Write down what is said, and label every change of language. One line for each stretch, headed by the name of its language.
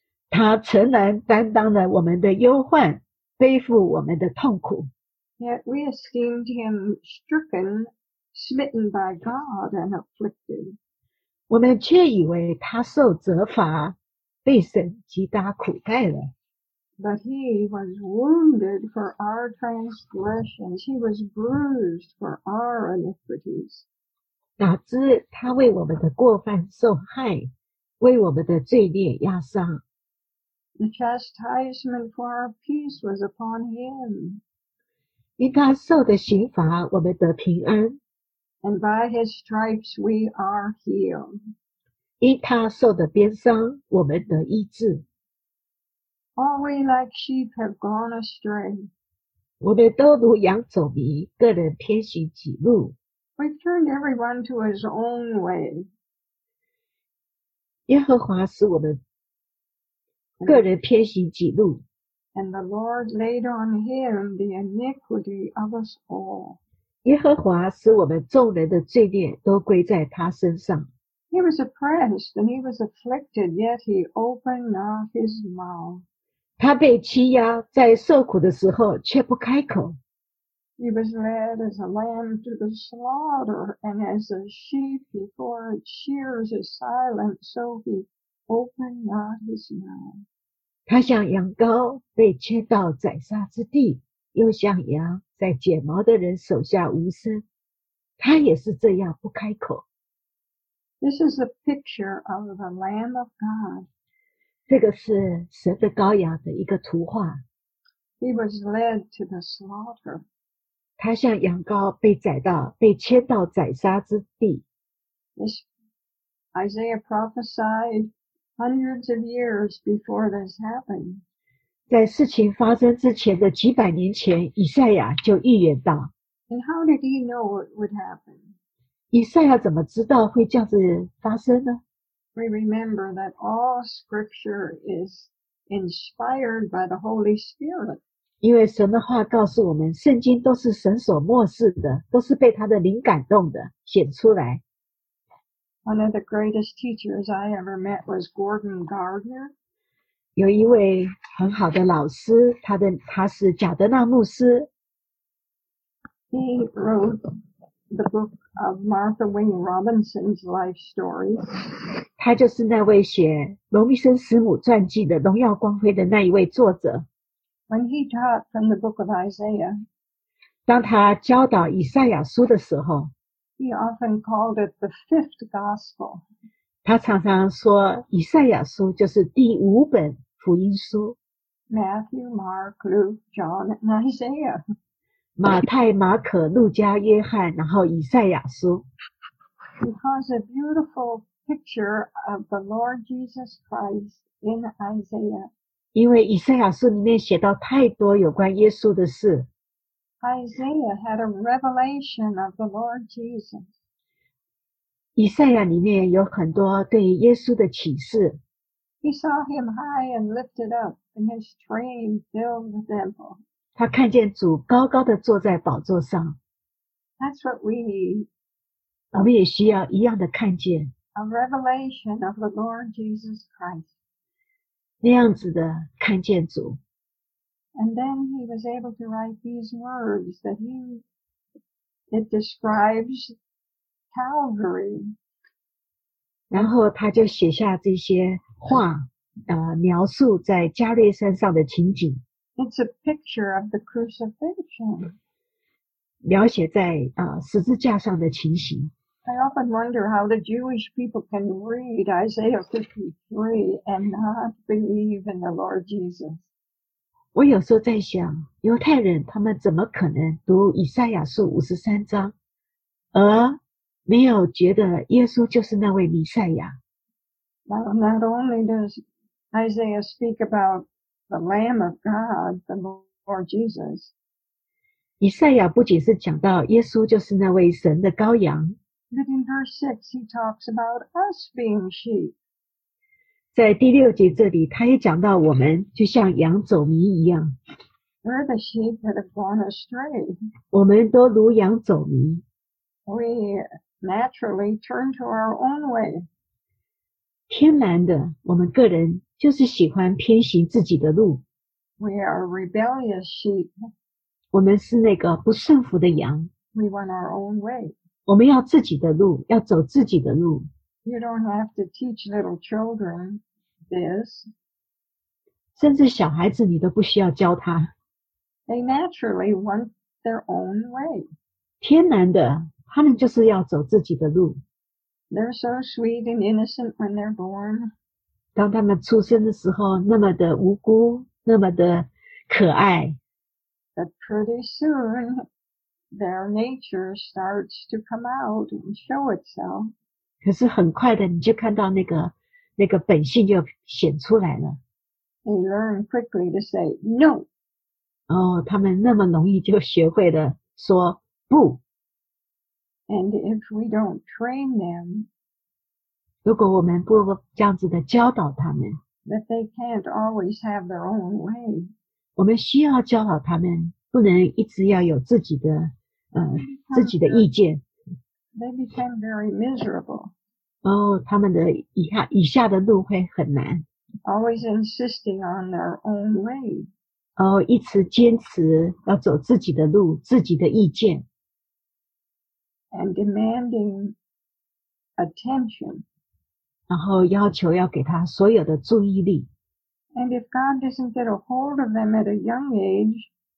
Chinese: 他诚然担当了我们的忧患，背负我们的痛苦。
English: Yet we esteemed him stricken, smitten by God and afflicted.
Chinese: 我们却以为他受责罚，被神击打苦待了。
English: But he was wounded for our transgressions. He was bruised for our iniquities.
Chinese: 哪知他为我们的过犯受害，为我们的罪孽压伤。
English: The chastisement for our peace was upon him.
Chinese: 因他受的刑罚，我们得平安。
English: And by his stripes we are healed.
Chinese: 因他受的鞭伤，我们得医治。
English: All we like sheep have gone astray.
Chinese: 我们都如羊走迷，个人偏行己路。
English: We've turned everyone to his own way.
Chinese: 耶和华使我们个人偏行己路。
English: And the Lord laid on him the iniquity of us all.
Chinese: 耶和华使我们众人的罪孽都归在他身上。
English: He was oppressed and he was afflicted, yet he opened not his mouth.
Chinese: 他被欺压，在受苦的时候却不开口。
English: He was led as a lamb to the slaughter, and as a sheep before its shears is silent, so he opened not his mouth.
Chinese: 他像羊羔被牵到宰杀之地，又像羊在剪毛的人手下无声，他也是这样不开口。
English: This is a picture of the Lamb of God.
Chinese: 这个是神的羔羊的一个图画。
English: He was led to the slaughter.
Chinese: 他像羊羔被宰到，被牵到宰杀之地。
English: This Isaiah prophesied hundreds of years before this happened.
Chinese: 在事情发生之前的几百年前，以赛亚就预言到。
English: And how did he know what would happen?
Chinese: 以赛亚怎么知道会这样子发生呢？
English: We remember that all scripture is inspired by the Holy Spirit.
Chinese: 因为神的话告诉我们，圣经都是神所默示的，都是被他的灵感动的，写出来。
English: One of the greatest teachers I ever met was Gordon Gardner.
Chinese: 有一位很好的老师，他是贾德纳牧师。
English: He wrote the book of Martha Wing Robinson's life story.
Chinese: 他就是那位写罗密森师母传记的荣耀光辉的那一位作者。
English: When he taught from the book of Isaiah,
Chinese: 当他教导以赛亚书的时候，
English: he often called it the fifth gospel.
Chinese: 他常常说以赛亚书就是第五本福音书。
English: Matthew, Mark, Luke, John, and Isaiah.
Chinese: 马太、马可、路加、约翰，然后以赛亚书。
English: Because a beautiful picture of the Lord Jesus Christ in Isaiah.
Chinese: 因为以赛亚书里面写到太多有关耶稣的事。
English: Isaiah had a revelation of the Lord Jesus.
Chinese: 以赛亚里面有很多对耶稣的启示。
English: He saw him high and lifted up, and his train filled the temple.
Chinese: 他看见主高高的坐在宝座上。
English: That's what we need.
Chinese: 我们也需要一样的看见。
English: A revelation of the Lord Jesus Christ.
Chinese: 那样子的看见主。
English: And then he was able to write these words that he, it describes Calvary.
Chinese: 然后他就写下这些话、描述在加略山上的情景。
English: It's a picture of the crucifixion.
Chinese: 描写在、十字架上的情形。
English: I often wonder how the Jewish people can read Isaiah 53 and not believe in the Lord Jesus.
Chinese: 我有时候在想，犹太人他们怎么可能读以赛亚书53章，而没有觉得耶稣就是那位弥赛亚。
English: Now, not only does Isaiah speak about the Lamb of God, the Lord Jesus.
Chinese: 以赛亚不仅是讲到耶稣就是那位神的羔羊。
English: But in verse 6, he talks about us being sheep.
Chinese: 在第六节这里，他也讲到我们就像羊走迷一样。
English: We're the sheep that have gone astray.
Chinese: 我们都如羊走迷。
English: We naturally turn to our own way.
Chinese: 天然的，我们个人就是喜欢偏行自己的路。
English: We are rebellious sheep.
Chinese: 我们是那个不顺服的羊。
English: We want our own way.
Chinese: 我们要自己的路，要走自己的路。
English: You don't have to teach little children this.
Chinese: 甚至小孩子你都不需要教他。
English: They naturally want their own way.
Chinese: 天然的，他们就是要走自己的路。
English: They're so sweet and innocent when they're born.
Chinese: 当他们出生的时候，那么的无辜，那么的可爱。
English: But pretty soon, their nature starts to come out and show itself.
Chinese: 可是很快的，你就看到那个本性就显出来了。
English: They learn quickly to say no.
Chinese: 哦，他们那么容易就学会了说不。
English: And if we don't train them,
Chinese: 如果我们不这样子的教导他们
English: that they can't always have their own way,
Chinese: 我们需要教导他们不能一直要有自己的自己的意见。
English: They become very miserable.
Chinese: 然后他们的以下的路会很难。
English: Always insisting on their own way.
Chinese: 然后一直坚持要走自己的路，自己的意见。
English: And demanding attention.
Chinese: 然后要求要给他所有的注意力。
English: And if God doesn't get a hold of them at a young age,